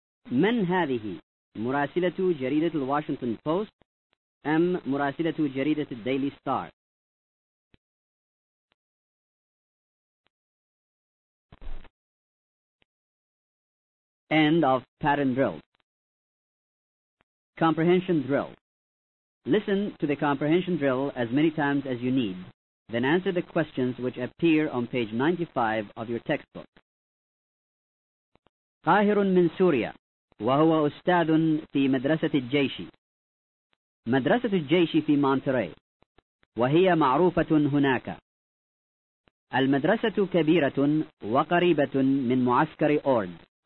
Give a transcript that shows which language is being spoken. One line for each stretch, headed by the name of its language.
Arabic: من هذه؟ مراسلة جريدة الواشنطن بوست أم مراسلة جريدة الديلي ستار؟
English: End of pattern drill. Comprehension drill. Listen to the comprehension drill as many times as you need, then answer the questions which appear on page 95 of your textbook.
Arabic: قاهر من سوريا وهو أستاذ في مدرسة الجيش. مدرسة الجيش في مونتريه وهي معروفة هناك. المدرسة كبيرة وقريبة من معسكر أورد.